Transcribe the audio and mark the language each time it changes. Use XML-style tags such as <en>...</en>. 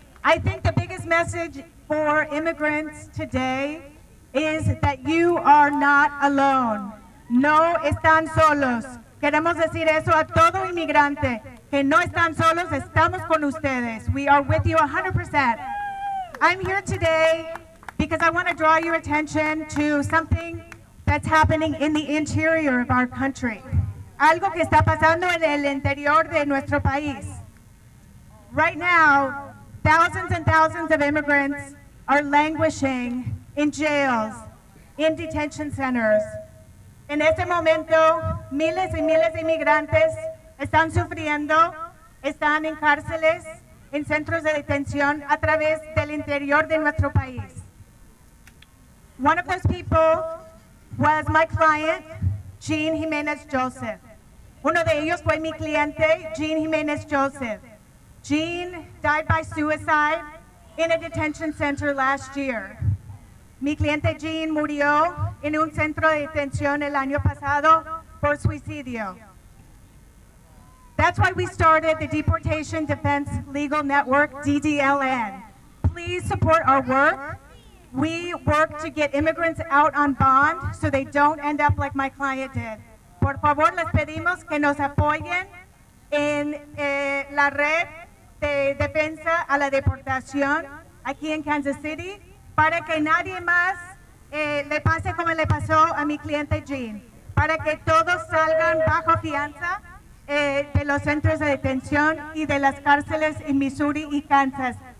<en>I think the biggest message for immigrants today is that you are not alone.</en> <es>No están solos. Queremos decir eso a todo inmigrante, que no están solos, estamos con ustedes.</es> <en>We are with you 100%. I'm here today because I want to draw your attention to something that's happening in the interior of our country.</en> <es>Algo que está pasando en el interior de nuestro país.</es> <en>Right now, thousands and thousands of immigrants are languishing in jails, in detention centers.</en> <es>En este momento, miles y miles de inmigrantes están sufriendo, están en cárceles, en centros de detención a través del interior de nuestro país.</es> <en>One of those people was my client, Jean Jimenez Joseph.</en> <es>Uno de ellos fue mi cliente,</es> <en>Jean Jimenez Joseph. Jean died by suicide in a detention center last year.</en> <es>Mi cliente Jean murió en un centro de detención el año pasado por suicidio.</es> <en>That's why we started the Deportation Defense Legal Network, DDLN. Please support our work. We work to get immigrants out on bond so they don't end up like my client did.</en> <es>Por favor, les pedimos que nos apoyen en la red de defensa a la deportación aquí en Kansas City para que nadie más le pase como le pasó a mi cliente Jean, para que todos salgan bajo fianza de los centros de detención y de las cárceles en Missouri y Kansas.</es>